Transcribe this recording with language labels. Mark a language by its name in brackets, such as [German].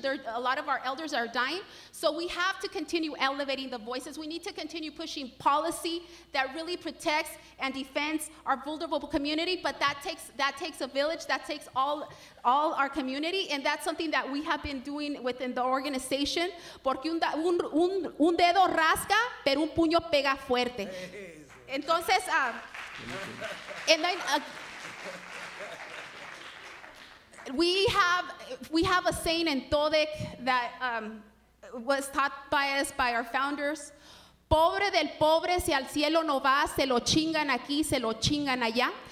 [English] A lot of our elders are dying. So we have to continue elevating the voices. We need to continue pushing policy that really protects and defends our vulnerable community, but that takes a village, that takes all our community, and that's something that we have been doing within the organization. [Spanish] Porque un dedo rasca, pero un puño pega fuerte. [English] Entonces, and then we have a saying in Todec that was taught by us, by our founders. [Spanish] Pobre del pobre, si al cielo no va, se lo chingan aquí, se lo chingan allá.